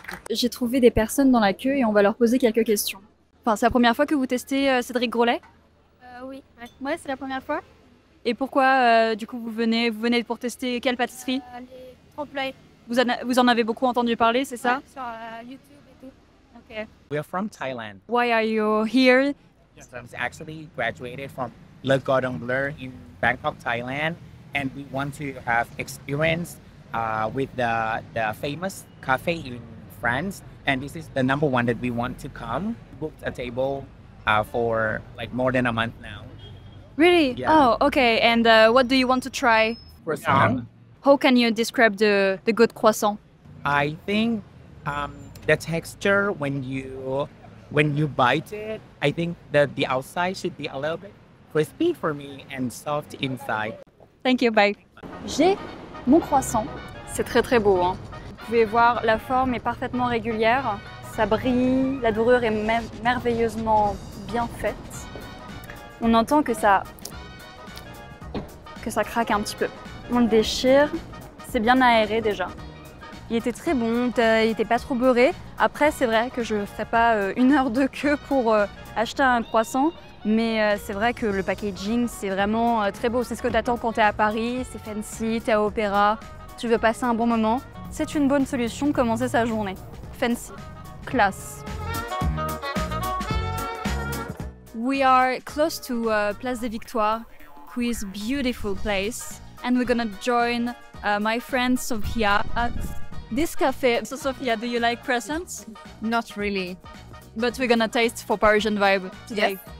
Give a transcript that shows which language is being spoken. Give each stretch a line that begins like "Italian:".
French: J'ai trouvé des personnes dans la queue et on va leur poser quelques questions. Enfin, c'est la première fois que vous testez Cédric Grolet? Oui, ouais. Ouais, c'est la première fois. Et pourquoi du coup vous venez pour tester quelle pâtisserie? Les trompe-l'œil. Vous en avez beaucoup entendu parler, c'est ça? Ouais, sur YouTube et tout.
English: Ok. We are from Thailand. Why are you here? Yes, I was actually graduated from Le Cordon Bleu in Bangkok, Thailand, and we want to have experience with the famous cafe in France, and this is the number one that we want to come. We booked a table for like more than a month now. Really? Yeah. Oh, okay. And what do you want to try? Croissant. How can you describe the good croissant? I think the texture when you bite it, I think that the outside should be a little bit crispy for me and soft inside. Thank you. Bye.
French: J'ai mon croissant. C'est très très beau, hein. Vous pouvez voir la forme est parfaitement régulière. Ça brille, la dorure est merveilleusement bien faite. On entend que ça craque un petit peu. On le déchire, c'est bien aéré déjà. Il était très bon, il était pas trop beurré. Après, c'est vrai que je ne ferai pas une heure de queue pour acheter un croissant, mais c'est vrai que le packaging, c'est vraiment très beau. C'est ce que t'attends quand t'es à Paris, c'est fancy, t'es à Opéra, tu veux passer un bon moment. C'est une bonne solution de commencer sa journée. Fancy. Classe.
English: We are close to Place des Victoires, who is beautiful place, and we're gonna join my friend Sophia at this cafe. So Sophia, do you like croissants? Not really, but we're gonna taste for Parisian vibe today.